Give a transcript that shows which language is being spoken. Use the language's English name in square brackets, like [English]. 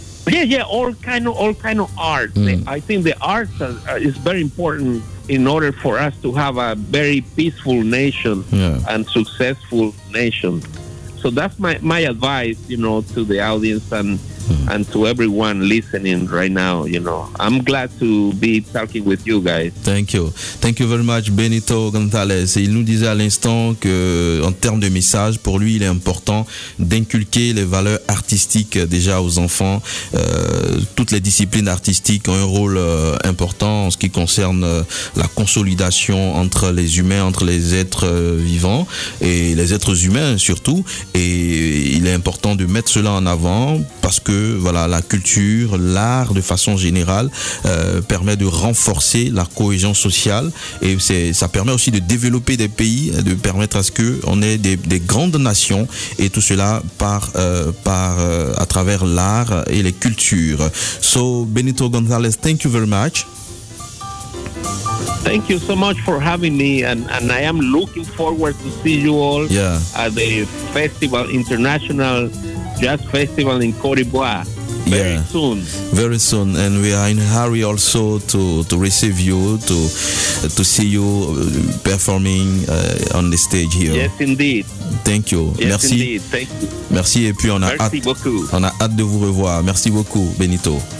[English] Yeah, all kind of art. I think the arts is very important in order for us to have a very peaceful nation and successful nation. So that's my advice, you know, to the audience and to everyone listening right now. You know, I'm glad to be talking with you guys. Thank you very much, Benito Gonzalez. [French] Il nous disait à l'instant que, en termes de message, pour lui, il est important d'inculquer les valeurs artistiques déjà aux enfants. Toutes les disciplines artistiques ont un rôle important en ce qui concerne la consolidation entre les humains, entre les êtres vivants et les êtres humains surtout. Et il est important de mettre cela en avant parce que voilà, la culture, l'art de façon générale permet de renforcer la cohésion sociale, et ça permet aussi de développer des pays, de permettre à ce qu'on ait des grandes nations, et tout cela par à travers l'art et les cultures. [English] So Benito Gonzalez, thank you very much. Thank you so much for having me, and I am looking forward to see you all at the festival, International Jazz Festival in Côte d'Ivoire. Very soon, and we are in a hurry also to receive you, to see you performing on the stage here. Yes, indeed. Thank you. Yes, [French] merci. [English] Indeed. Thank you. [French] Merci, et puis on a hâte de vous revoir. Merci beaucoup, Benito.